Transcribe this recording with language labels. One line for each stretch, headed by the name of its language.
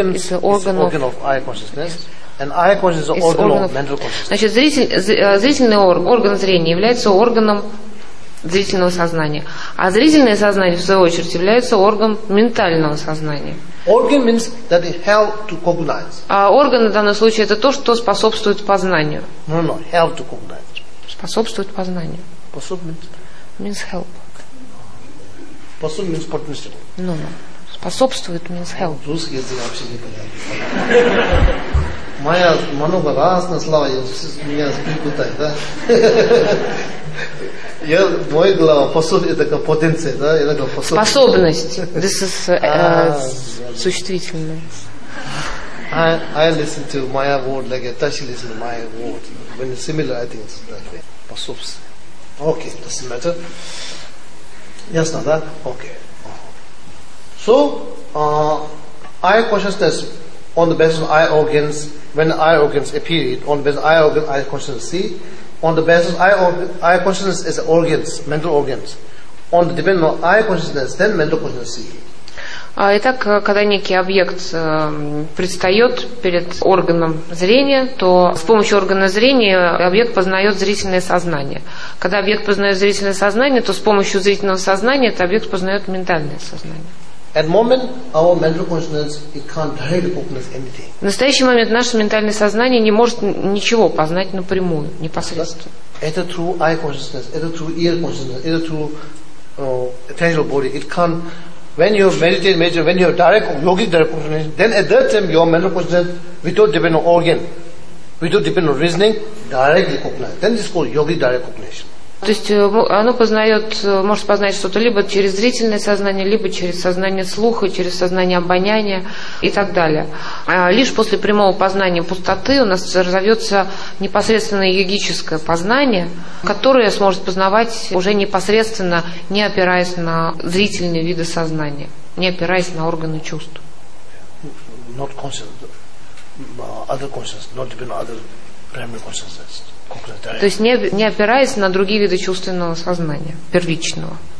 English: Eye organ is an organ of eye consciousness. Yes. And eye consciousness is an organ of mental consciousness.
Russian: Значит, зрительный орган зрения является органом зрительного сознания. А зрительное сознание, в свою очередь, является органом ментального сознания.
English: Organ means that it helps to cognize.
Russian: А орган в данном случае это то, что способствует познанию.
English: No, help to cognize.
Russian: Способствует познанию.
English: Means help. Способ means partnership. No. Способствует means help.
Russian: Русский язык вообще не понятен. Много разных слов, меня перепутали, да? Я, мой глава, способность, это как потенция, да? Это как способность.
English: This is существительное. I listen to Maya word, like a touchy listen to Maya word. When it's similar, I think it's that way. Способствует. Okay, doesn't matter.
Russian: Ясно, да?
English: Okay. So, eye consciousness on the basis of eye organs, when eye organs appear, on the basis of eye organs, eye consciousness see, on the basis of eye consciousness is organs, mental organs. On the depend on eye consciousness, then mental consciousness see.
Russian: Итак, когда некий объект предстает перед органом зрения, то с помощью органа зрения объект познает зрительное сознание. Когда объект познает зрительное сознание, то с помощью зрительного сознания этот объект познает ментальное сознание.
English: At moment, our mental consciousness, it can't directly recognize anything.
Russian: В настоящий момент наше ментальное сознание не может ничего познать напрямую, непосредственно. Это
English: true eye consciousness, это true ear consciousness, это true tangible body. It can't. When you meditate, major, when you have direct yogic direct consciousness, then at that time your mental consciousness, without depend on organ, without depend on reasoning, directly cognize. Then it's called yogic direct cognition.
Russian: То есть оно познает, может познать что-то либо через зрительное сознание, либо через сознание слуха, через сознание обоняния и так далее. Лишь после прямого познания пустоты у нас разовьется непосредственное йогическое познание, которое сможет познавать уже непосредственно, не опираясь на зрительные виды сознания, не опираясь на органы чувств.
English: Not conscious, other consciousness, not even other primary consciousness.
Russian: То есть не опираясь на другие виды чувственного сознания, первичного.